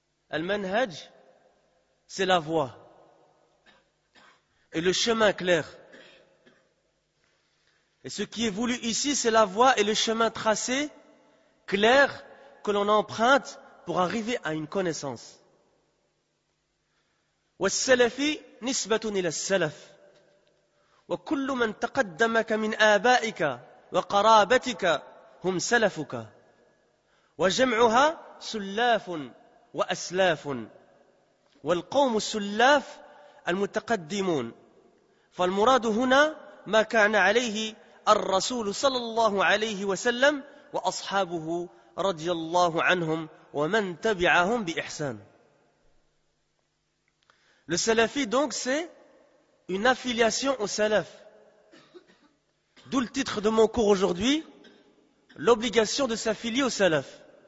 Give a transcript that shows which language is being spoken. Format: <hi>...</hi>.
<fr>Al-Manhaj, c'est la voie. Et le chemin clair. Et ce qui est voulu ici, c'est la voie et le chemin tracé, clair, que l'on emprunte pour arriver à une connaissance.</fr> <ar>والسلفي نسبة إلى السلف وكل من تقدمك من آبائك وقرابتك هم سلفك وجمعها سلاف وأسلاف والقوم السلاف المتقدمون فالمراد هنا ما كان عليه الرسول صلى الله عليه وسلم وأصحابه رضي الله عنهم ومن تبعهم بإحسان.</ar> <fr>Le salafi donc c'est une affiliation au salaf. D'où le titre de mon cours aujourd'hui, l'obligation de s'affilier au salaf.</fr>